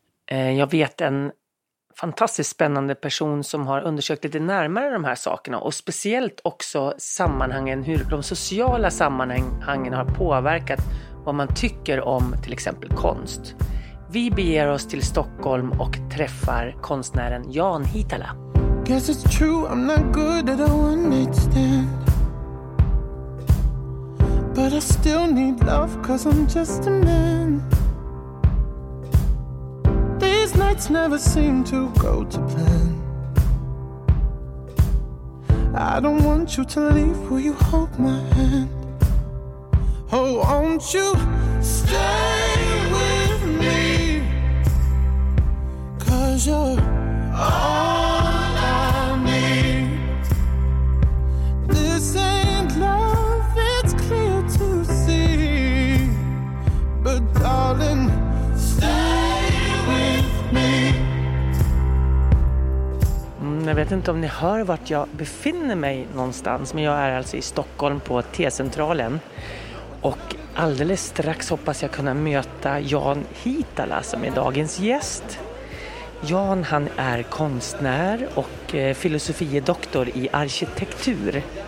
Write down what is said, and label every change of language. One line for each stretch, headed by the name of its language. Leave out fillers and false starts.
Swedish: Jag vet en fantastiskt spännande person som har undersökt lite närmare de här sakerna och speciellt också sammanhangen, hur de sociala sammanhangen har påverkat vad man tycker om till exempel konst. Vi beger oss till Stockholm och träffar konstnären Jan Hitala.
English: Guess it's true I'm not good at a one night stand. But I still need love 'cause I'm just a man. These nights never seem to go to plan. I don't want you to leave, will you hold my hand? Oh, won't you stay with me? 'Cause you're all I need. This ain't love, it's clear to see. But darling, stay with me.
Swedish: Jag vet inte om ni hör vart jag befinner mig någonstans, men jag är alltså i Stockholm på T-centralen. Och alldeles strax hoppas jag kunna möta Jan Hitala som är dagens gäst. Jan, han är konstnär och filosofiedoktor i arkitektur.